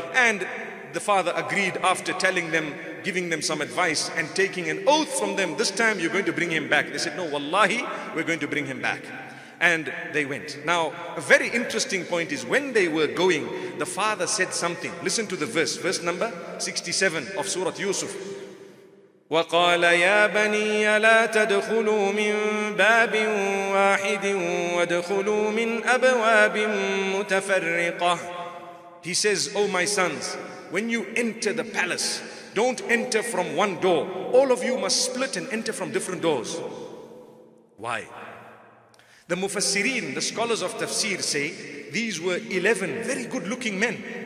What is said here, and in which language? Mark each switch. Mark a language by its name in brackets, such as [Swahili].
[English] And the father agreed after telling them, giving them some advice and taking an oath from them. This time you're going to bring him back. They said, no, wallahi, we're going to bring him back. And they went. Now, a very interesting point is when they were going, the father said something. Listen to the verse. Verse number 67 of Surah Yusuf. [Arabic] وقال يا بني لا تدخلوا من باب واحد وادخلوا من أبواب متفرقة. [English] He says, oh my sons, when you enter the palace, don't enter from one door. All of you must split and enter from different doors. Why? The Mufassireen, the scholars of Tafsir, say these were 11 very good looking men.